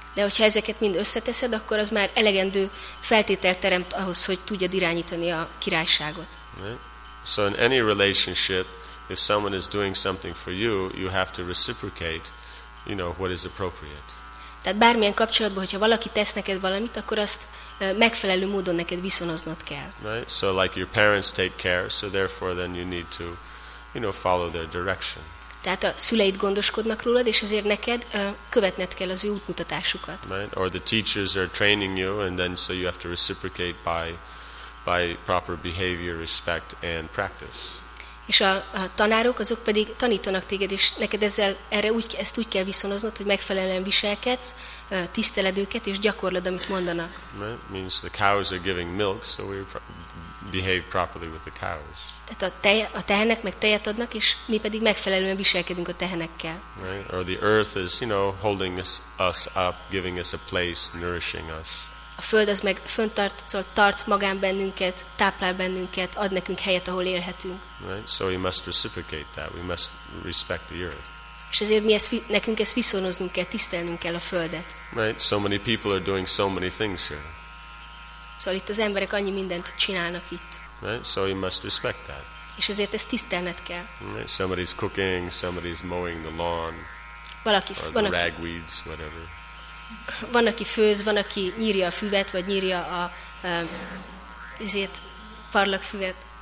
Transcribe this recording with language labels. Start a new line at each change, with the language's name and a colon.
Hungarian: De hogyha ezeket mind összeteszed, akkor az már elegendő feltételt teremt ahhoz, hogy tudjad irányítani a királyságot.
English: Right? So in any relationship, if someone is doing something for you, you have to reciprocate, you know, what is appropriate.
Hungarian: Tehát bármilyen kapcsolatban, hogyha valaki tesz neked valamit, akkor azt megfelelő módon neked viszonoznod kell.
English: Right? So like your parents take care, so therefore then you need to, you know, follow their direction.
Hungarian: Tehát a szüleid gondoskodnak rólad, és ezért neked követned kell az ő útmutatásukat.
English: Right? Or the teachers are training you, and then so you have to reciprocate by proper behavior, respect and practice.
Hungarian: És a tanárok azok pedig tanítanak téged, és neked ezzel erre úgy ezt úgy kell viszonoznod, hogy megfelelően viselkedsz, tiszteled őket és gyakorlod, amit mondanak.
English: Right? Means the cows are giving milk, so we behave properly with the cows.
Hungarian: Tehát a tehenek meg tejet adnak, és mi pedig megfelelően viselkedünk a tehenekkel.
English: Right? Or the earth is, you know, holding us up, giving us a place, nourishing us.
Hungarian: A föld az meg fönntart, szóval tart magán bennünket, táplál bennünket, ad nekünk helyet, ahol élhetünk.
English: Right? So we must reciprocate that. We must respect the earth.
Hungarian: És ezért mi ezt, nekünk ezt viszonoznunk kell, tisztelnünk kell a földet.
English: Right? So many people are doing so many things here.
Hungarian: Szóval itt az emberek annyi mindent csinálnak itt.
English: Right? So you must respect that.
Hungarian: És ezért ezt tisztelned kell.
English: Right? Somebody's cooking, somebody's mowing the lawn.
Hungarian: Valaki, van aki.
English: Ragweeds, whatever.
Hungarian: Van aki főz, van aki nyírja a füvet, vagy nyírja a ezért parlagfüvet.